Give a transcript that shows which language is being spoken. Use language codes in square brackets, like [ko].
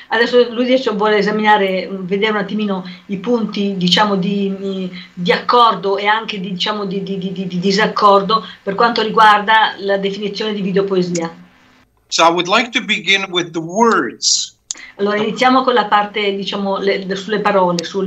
[it] Adesso lui dice vuole esaminare, vedere un attimino i punti, diciamo, di accordo e anche di, diciamo, di disaccordo per quanto riguarda la definizione di videopoesia. [en] So I would like to begin with the words. [it] Allora iniziamo con la parte, diciamo, sulle parole, sul